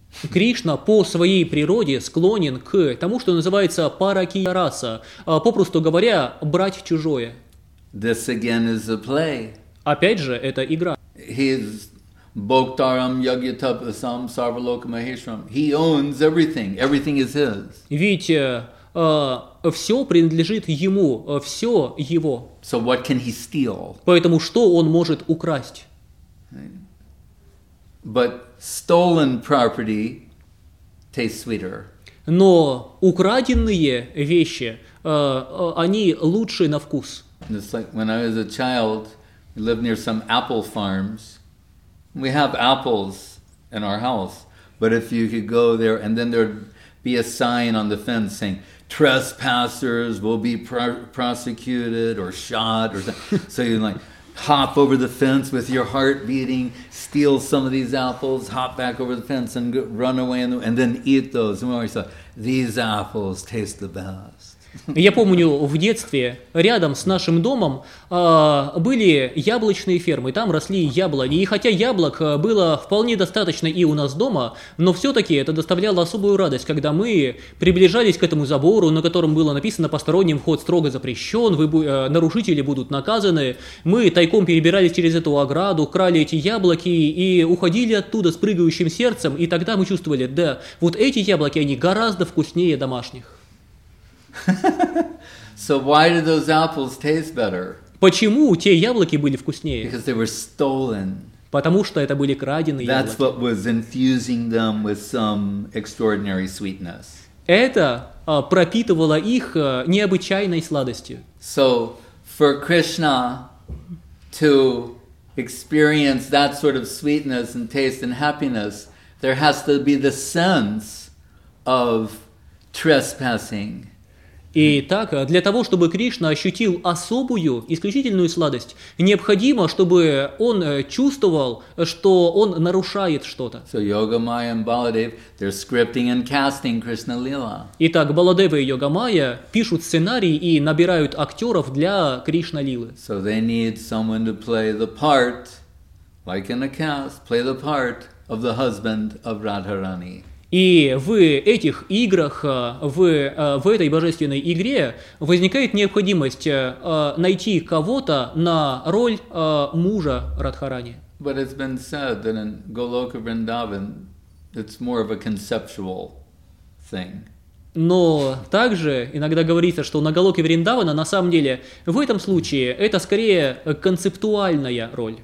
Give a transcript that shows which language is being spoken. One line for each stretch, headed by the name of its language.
Russian: Кришна по своей природе склонен к тому, что называется парakiya rasa, попросту говоря, брать чужое.
English: This again is a play.
Russian: Опять же, это игра.
Sanskrit: He's Bhoktaram Yagyatapasam Sarvalokamaheshram.
English: He owns everything. Everything is his.
Russian: Ведь все принадлежит ему, все его.
English: So what can he steal?
Russian: Поэтому что он может украсть?
English: But stolen property tastes sweeter.
Russian: Но украденные вещи, они лучше на вкус.
English: It's like when I was a child, we lived near some apple farms. We have apples in our house, but if you could go there and then there'd be a sign on the fence saying, trespassers will be prosecuted or shot or something. So you'd like hop over the fence with your heart beating, steal some of these apples, hop back over the fence and run away and then eat those. And we always thought, these apples taste the best.
Russian: Я помню, в детстве рядом с нашим домом были яблочные фермы, там росли яблони. И хотя яблок было вполне достаточно и у нас дома, но все-таки это доставляло особую радость, когда мы приближались к этому забору, на котором было написано «Посторонним вход строго запрещен, нарушители будут наказаны». Мы тайком перебирались через эту ограду, крали эти яблоки и уходили оттуда с прыгающим сердцем. И тогда мы чувствовали, да, вот эти яблоки, они гораздо вкуснее домашних.
English: So why do those apples taste better?
Russian: Почему те яблоки были вкуснее?
English: Because they were stolen.
Russian: Потому что это были краденые яблоки.
English: That's what was infusing them with some extraordinary sweetness.
Russian: Это пропитывало их необычайной сладостью.
English: So for Krishna to experience that sort of sweetness and taste and happiness, there has to be the sense of trespassing.
Russian: И так, для того, чтобы Кришна ощутил особую, исключительную сладость, необходимо, чтобы он чувствовал, что он нарушает что-то.
English: So, Yoga Maya and Baladev, they're scripting and casting Krishna Lila.
Russian: Итак, Баладева и Йога Майя пишут сценарий и набирают актеров для Кришна Лилы.
English: So they need someone to play the part, like in a cast, play the part of the husband of Radharani.
Russian: И в этих играх, в этой божественной игре возникает необходимость найти кого-то на роль мужа Радхарани.
English: But it's been said that in Goloka Vrindavan it's more of a conceptual thing.
Russian: Но также иногда говорится, что на Голоке Вриндавана на самом деле в этом случае это скорее концептуальная роль.